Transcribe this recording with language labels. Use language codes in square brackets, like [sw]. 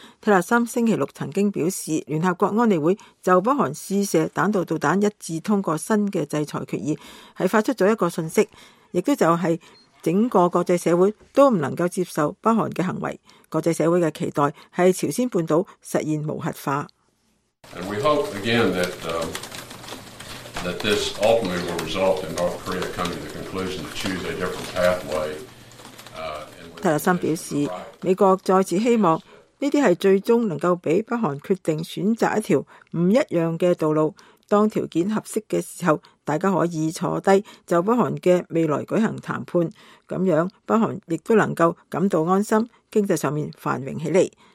[yue] 特勒森星期六曾经表示，联合国安理会就北韩试射弹道导弹一致通过新的制裁决议，是发出了一个信息，亦都就是整个国际社会都不能够接受北韩的行为。国际社会的期待是朝鲜半岛实现无核化。 [en] And we hope again that, that this ultimately will result in North Korea coming to the conclusion to choose a different pathway. [yue] 特勒森表示，美国再次希望这些是最终能够给北韩决定选择一条不一样的道路，当条件合适的时候，大家可以坐低就北韩的未来举行谈判，这样北韩亦都能够感到安心，经济上面繁荣起来。